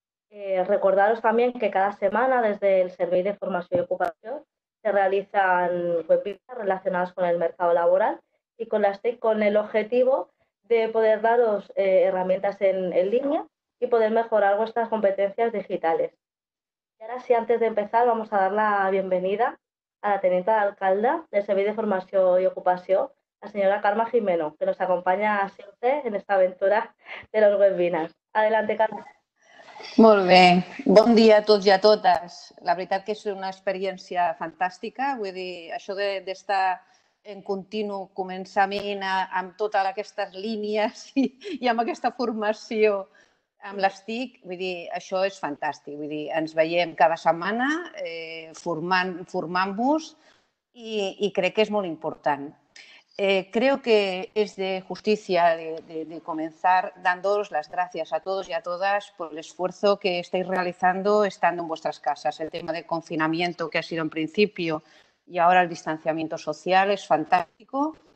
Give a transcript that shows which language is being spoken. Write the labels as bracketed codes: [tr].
[es] Recordaros también que cada semana desde el Servicio de Formación y Ocupación se realizan webinars relacionadas con el mercado laboral y con las TIC con el objetivo de poder daros herramientas en línea y poder mejorar vuestras competencias digitales. Y ahora sí, antes de empezar, vamos a dar la bienvenida a la teniente alcalda del Servicio de Formación y Ocupación, la señora Carme Gimeno, que nos acompaña siempre en esta aventura de los webinars. Adelante, Carme. [ca] Molt bé. Bon dia a tots i a totes. La veritat que és una experiència fantàstica. Vull dir, això d'estar en continu començament amb totes aquestes línies i amb aquesta formació amb les TIC, vull dir, això és fantàstic. Vull dir, ens veiem cada setmana formant-vos i crec que és molt important. [es] Creo que es de justicia de comenzar dándoos las gracias a todos y a todas por el esfuerzo que estáis realizando estando en vuestras casas. El tema de confinamiento que ha sido en principio y ahora el distanciamiento social es fantástico.